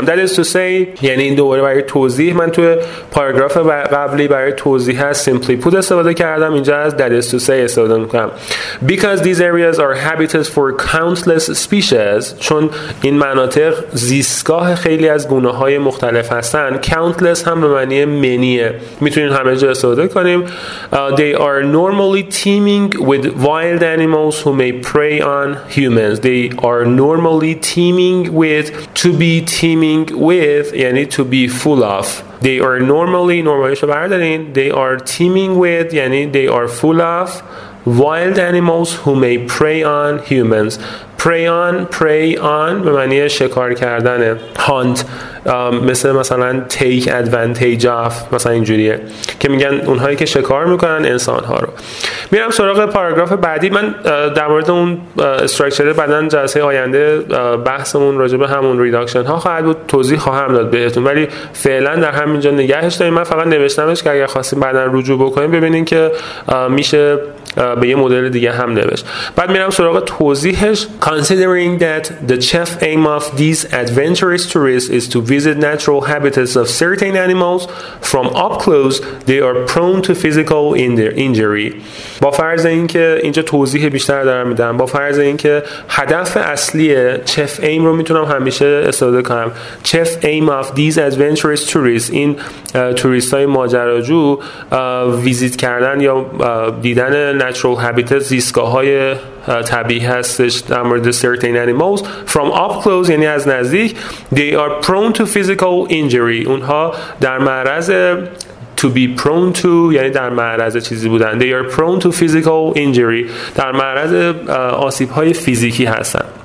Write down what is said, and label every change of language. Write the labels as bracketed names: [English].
[Persian] در is to say یعنی این دوباره برای توضیح، من توی پاراگراف قبلی برای توضیح هست simply put استفاده کردم، اینجا از that is to say استفاده میکنم. [English] Because these areas are habitats for countless species، [Persian] چون این مناطق زیستگاه خیلی از گونه های مختلف هستن. Countless هم به معنی منیه، میتونین همه جا استفاده کنیم. [English] They are normally teeming with wild animals who may prey on humans. They are normally teeming with, to be teeming with یعنی to be full of. They are normally [Persian] شو بردارین، [English] they are teeming with یعنی they are full of wild animals who may prey on humans. [Persian] Prey on به معنی شکار کردنه، hunt، مثلا take advantage of، مثلا اینجوریه که میگن اونهایی که شکار میکنن انسانها رو. میرم سراغ پاراگراف بعدی. من در مورد اون استرکچر بدن جلسه آینده بحثمون راجب همون ریداکشن ها خواهد بود، توضیح خواهم داد بهتون، ولی فعلا در همینجا نگهش داریم. من فقط نوشتمش که اگر خواستیم بعدن رجوع بکنیم ببینین که میشه به یه مدل دیگه هم نوشت. بعد میرم سراغ توضیحش. [English] Considering that the chief aim of these adventurous tourists is to visit natural habitats of certain animals from up close, they are prone to physical injury. [Persian] با فرض اینکه اینجا توضیح بیشتر دارم میدم، با فرض اینکه هدف اصلی chief aim رو میتونم همیشه استفاده کنم، [English] chief aim of these adventurous tourists، [Persian] این توریستای ماجراجو، ویزیت کردن یا دیدن natural habitats، زیستگاه‌های طبیعی هستش در مورد certain animals، [English] from up close [Persian] یعنی از نزدیک، [English] they are prone to physical injury، [Persian] اونها در معرض، to be prone to یعنی در معرض چیزی بودن، they are prone to physical injury، در معرض آسیب‌های فیزیکی هستن.